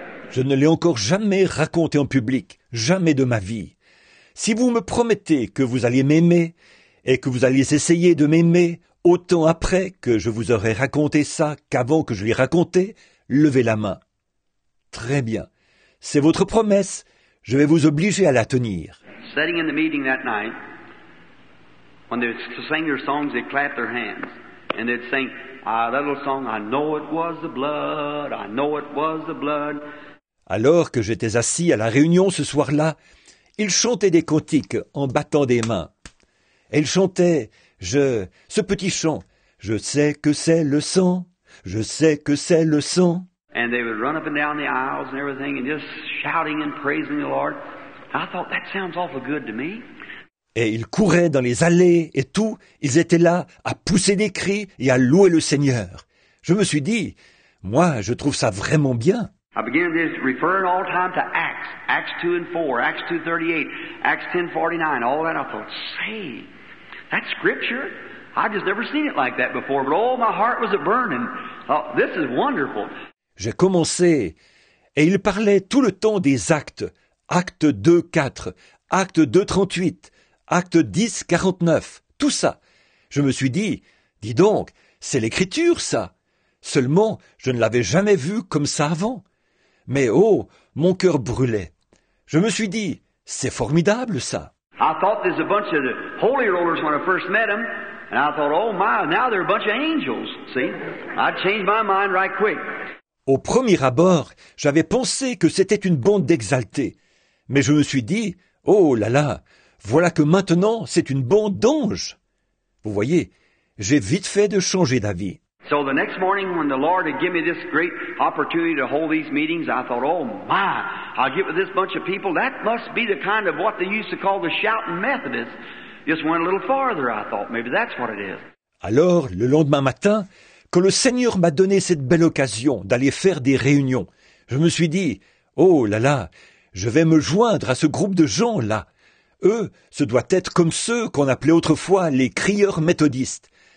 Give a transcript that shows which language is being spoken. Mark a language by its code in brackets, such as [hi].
[fr] Je ne l'ai encore jamais raconté en public, jamais de ma vie. Si vous me promettez que vous alliez m'aimer et que vous alliez essayer de m'aimer autant après que je vous aurai raconté ça qu'avant que je l'ai raconté, levez la main. Très bien. C'est votre promesse. Je vais vous obliger à la tenir. [en] Sitting in the meeting that night, when they sang their songs, they clapped their hands. And they'd sing, ah, that little song, I know it was the blood, I know it was the blood. [fr] Alors que j'étais assis à la réunion ce soir-là, ils chantaient des cantiques en battant des mains. Elle chantait, ce petit chant, je sais que c'est le sang, je sais que c'est le sang. [en] And they would run up and down the aisles and everything and just shouting and praising the Lord. I thought, that sounds awful good to me. [fr] Et ils couraient dans les allées et tout. Ils étaient là à pousser des cris et à louer le Seigneur. Je me suis dit, moi, je trouve ça vraiment bien. [en] I began this referring all the time to Acts. Acts 2 and 4, Acts 2:38, Acts 10:49, all that. I thought, say, that's scripture. I just never seen it like that before. But oh, my heart was a-burning. Oh, this is wonderful. [fr] J'ai commencé, et il parlait tout le temps des actes, acte 2, 4, acte 2, 38, acte 10, 49, tout ça. Je me suis dit donc, c'est l'écriture ça. Seulement, je ne l'avais jamais vu comme ça avant. Mais oh, mon cœur brûlait. Je me suis dit, c'est formidable ça. [en] I thought there's a bunch of the holy rollers when I first met them, and I thought, oh my, now they're a bunch of angels, see. I changed my mind right quick. [fr] Au premier abord, j'avais pensé que c'était une bande d'exaltés. Mais je me suis dit, oh là là, voilà que maintenant, c'est une bande d'anges. Vous voyez, j'ai vite fait de changer d'avis. [en] So the next morning, when the Lord had given me this great opportunity to hold these meetings, I thought, oh my, I'll get with this bunch of people. That must be the kind of what they used to call the shouting Methodists. Just went a little farther, I thought. Maybe that's what it is. [fr] Alors, le lendemain matin, que le Seigneur m'a donné cette belle occasion d'aller faire des réunions. Je me suis dit, oh là là, je vais me joindre à ce groupe de gens-là. Eux, ce doit être comme ceux qu'on appelait autrefois les crieurs méthodistes.